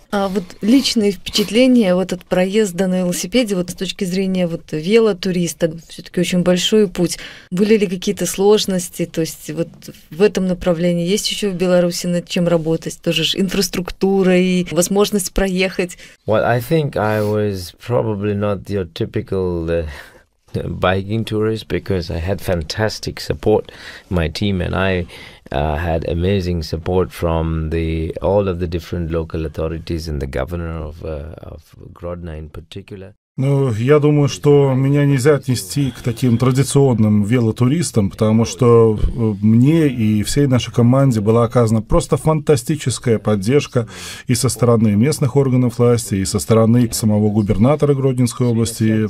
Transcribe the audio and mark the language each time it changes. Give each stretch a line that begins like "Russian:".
Russian: А вот личные впечатления вот от проезда на велосипеде вот с точки зрения вот велотуриста, все-таки очень большой путь. Были ли какие-то сложности? То есть вот в этом направлении есть еще в Беларуси над чем работать? Тоже же инфраструктура и возможность проехать.
English: Well, I think I was probably not your typical biking tourist, because I had fantastic support. My team and I had amazing support from all of the different local authorities and the governor of Grodno in particular.
Russian: Ну, я думаю, что меня нельзя отнести к таким традиционным велотуристам, потому что мне и всей нашей команде была оказана просто фантастическая поддержка и со стороны местных органов власти, и со стороны самого губернатора Гродненской области.